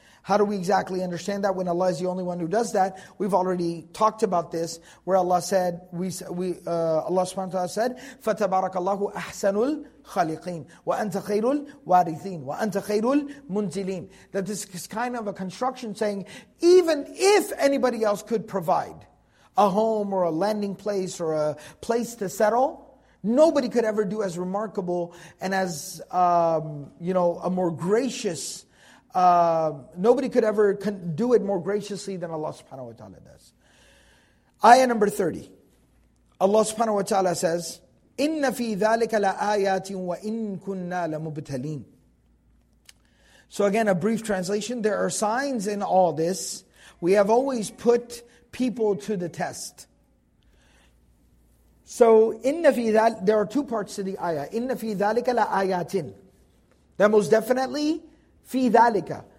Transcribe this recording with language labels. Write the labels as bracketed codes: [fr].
[en] How do we exactly understand that when Allah is the only one who does that? We've already talked about this, where Allah said, Allah subhanahu wa ta'ala said, [ar] فَتَبَارَكَ اللَّهُ أَحْسَنُ الْخَلِقِينَ وَأَنْتَ خَيْرُ الْوَارِثِينَ وَأَنْتَ خَيْرُ الْمُنْزِلِينَ [en] That this is kind of a construction saying, even if anybody else could provide a home or a landing place or a place to settle, nobody could ever do as remarkable and as, a more gracious Nobody could ever do it more graciously than Allah subhanahu wa ta'ala does. Ayah number 30. Allah subhanahu wa ta'ala says, [ar] إِنَّ فِي ذَلِكَ لَآيَاتٍ وَإِنْ كُنَّا لَمُبْتَلِينَ. [en] So again, a brief translation. There are signs in all this. We have always put people to the test. So, there are two parts to the ayah. [ar] إِنَّ فِي ذَلِكَ لَآيَاتٍ. [en] That most definitely, [ar] fi dhalika.